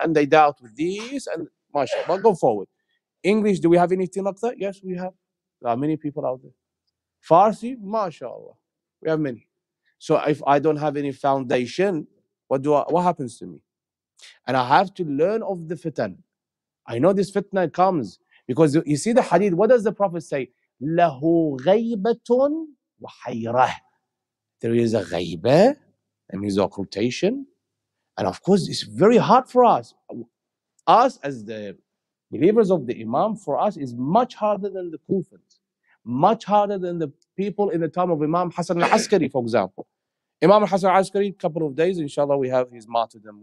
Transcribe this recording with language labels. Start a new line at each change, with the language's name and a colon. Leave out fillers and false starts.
English: And they doubt with these. And mashallah, go forward. English, do we have anything like that? Yes, we have. There are many people out there. Farsi, mashallah. We have many. So if I don't have any foundation, what happens to me? And I have to learn of the fitan. I know this fitna comes. Because you see the hadith, what does the Prophet say?
Arabic: لَهُ غَيْبَةٌ وَحَيْرَةٌ.
English: There is a
Arabic: غَيْبَة.
English: And his occultation. And of course, it's very hard for us. Us as the believers of the Imam, for us, is much harder than the Kufans. Much harder than the people in the time of Imam Hassan al-Askari, for example. Imam Hassan al-Askari, a couple of days, inshallah, we have his martyrdom.